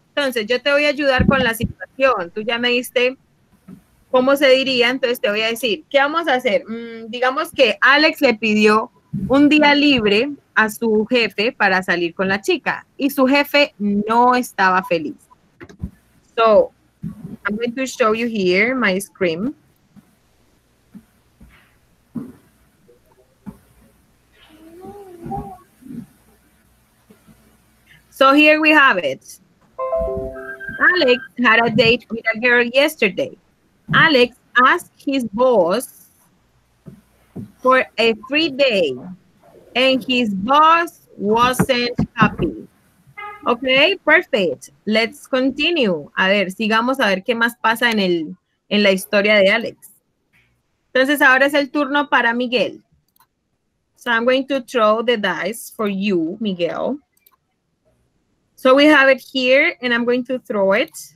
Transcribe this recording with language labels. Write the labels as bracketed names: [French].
[Spanish] Entonces, yo te voy a ayudar con la situación. Tú ya me diste cómo se diría, entonces te voy a decir, ¿qué vamos a hacer? Digamos que Alex le pidió un día libre a su jefe para salir con la chica y su jefe no estaba feliz. [English] So, I'm going to show you here my screen. So, here we have it. Alex had a date with a girl yesterday. Alex asked his boss for a free day, and his boss wasn't happy. Okay, perfect. Let's continue. [Spanish] A ver, sigamos a ver qué más pasa en el en la historia de Alex. Entonces, ahora es el turno para Miguel. [English] So I'm going to throw the dice for you, Miguel. So we have it here, and I'm going to throw it.